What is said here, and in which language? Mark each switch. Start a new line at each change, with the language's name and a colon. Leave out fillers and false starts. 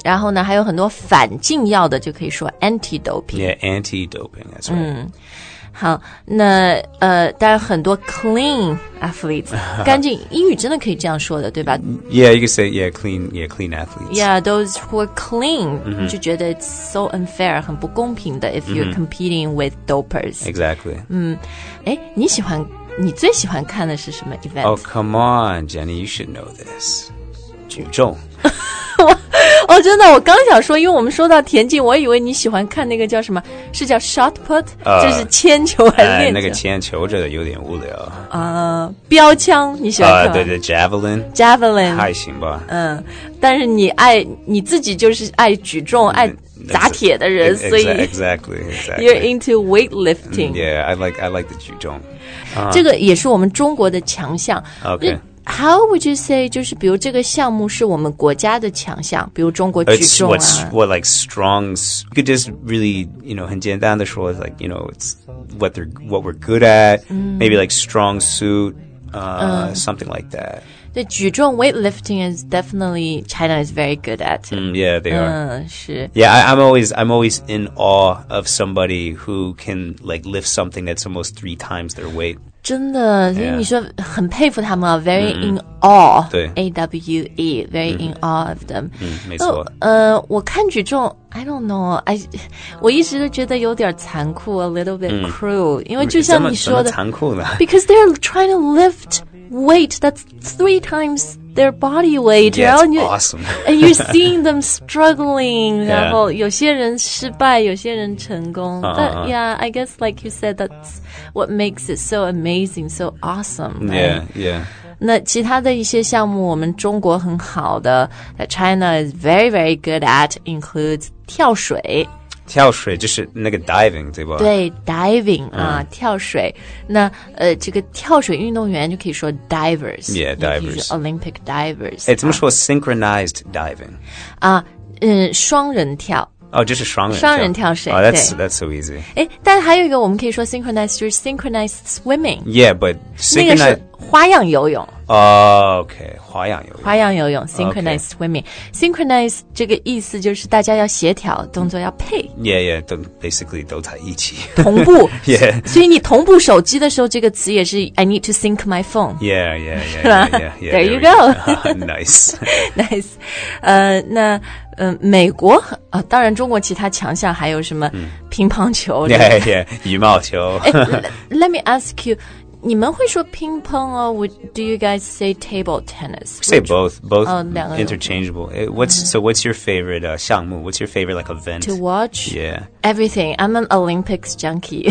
Chinese: 然后呢还有很多反禁药的就可以说 anti-doping
English: Yeah, anti-doping, that's right
Chinese: 好那当然很多
English: clean athletes
Chinese: 干净英语真的可以这样说的对吧
English: Yeah, you can say yeah, clean, yeah, clean athletes Yeah, those who are clean、 mm-hmm.
Chinese: 就觉得
English: it's so unfair
Chinese: 很不公平的
English: if you're competing with dopers Exactly
Chinese: 你喜欢你最喜欢看的是什么 event
English: Oh, come on, Jenny, you should know this 举重
Chinese: 哦，真的，我刚想说，因为我们说到田径，我以为你喜欢看那个叫什么，是叫 shot put， 就是铅球还是链球、那个铅球这个有点无聊啊。标枪你喜欢看吗？
English: 对 javelin， javelin
Chinese: 还行吧。但是你爱你自己就是爱举重、爱砸铁的人，所以
English: exactly you're into weightlifting。 Yeah， I like the 举重。
Chinese: 这个也是我们中国的强项。
English: Okay. How would you say,
Chinese: 就是比如这个项目是我们国家的强项比如中国举重啊
English: It's what like strong, you could just really, you know,
Chinese: 很简单的说
English: like, you know, it's what we're good at,、maybe like strong suit,、something like that. 对举重 weightlifting is definitely, China is very good at.、 Yeah, they are.
Chinese: 是
English: Yeah, I'm always in awe of somebody who can like lift something that's almost three times their weight.
Chinese: 真的所以你说很佩服他们啊
English: very in awe
Chinese: 对
English: A-W-E very in awe of them
Chinese: 没错我看举重
English: I don't know
Chinese: 我一直都觉得有点残酷
English: a little bit cruel
Chinese: 因为就像你说的怎么残酷呢
English: because they're trying to lift weight that's three times their body weight. Yeah, it's awesome. And you're seeing them struggling. Yeah.
Chinese: 然后有些人失败，有些人成功。
English: But yeah, I guess like you said, that's what makes it so amazing, so awesome. Right? Yeah, yeah.
Chinese: 那其他的一些项目我们中国很好的
English: that China is very, very good at includes
Chinese: 跳水。跳水就是那个 diving, 对吧？对 diving,、啊、跳水。那、这个跳水运动员就可以说 divers。
English: Yeah, divers. Olympic divers.
Chinese: 诶怎么说 synchronized diving?、双人跳。哦、oh, 就是双人跳。双人跳水。
English: Oh, that's so easy.
Chinese: 但还有一个我们可以说 synchronized, 就是 synchronized swimming.
English: Yeah, but synchronized...
Chinese: 花样游泳、 OK 花样游泳花样游泳 Synchronized、okay. swimming Synchronized 这个意思就是大家要协调动作要配
English: Yeah yeah don't, Basically
Chinese: 都在一起同步
English: Yeah
Chinese: 所以你同步手机的时候这个词也是
English: I need to sync my phone Yeah yeah yeah, yeah, yeah, yeah There you go Nice
Chinese: Nice 那美国、当然中国其他强项还有什么乒乓球、嗯、Yeah yeah 羽毛球
English: Let me ask you
Chinese: 你们会说
English: ping pong or would, do you guys say table tennis? Which, say both. Both、interchangeable. What's,、mm-hmm. So what's your favorite 项目? What's your favorite like, event? To watch? Yeah. Everything. I'm an Olympics junkie.